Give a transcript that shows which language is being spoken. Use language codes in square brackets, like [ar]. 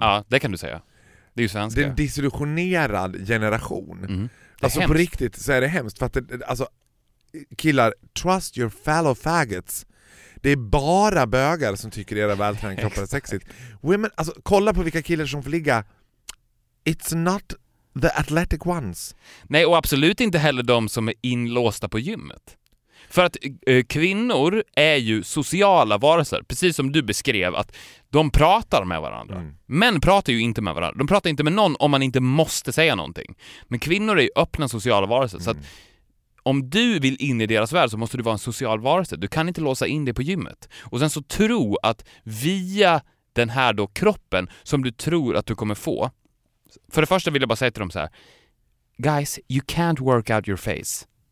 [sv] Ja, det kan du säga. Det är ju svenska. Det är en disillusionerad generation. Mm. Alltså hemskt. På riktigt så är det hemskt. För att det, alltså, killar, [en] trust your fellow faggots. [sv] Det är bara bögar som tycker era vältränade kroppar är sexigt. Women, alltså, kolla på vilka killar som får ligga. [en] It's not the athletic ones. [sv] Nej, och absolut inte heller de som är inlåsta på gymmet. För att kvinnor är ju sociala varelser, precis som du beskrev, att de pratar med varandra. Mm. Män pratar ju inte med varandra. De pratar inte med någon om man inte måste säga någonting. Men kvinnor är ju öppna sociala varelser. Mm. Så att om du vill in i deras värld så måste du vara en social varelse. Du kan inte låsa in dig på gymmet. Och sen så tro att via den här då kroppen som du tror att du kommer få. För det första vill jag bara säga till dem så här. [en] Guys, you can't work out your face.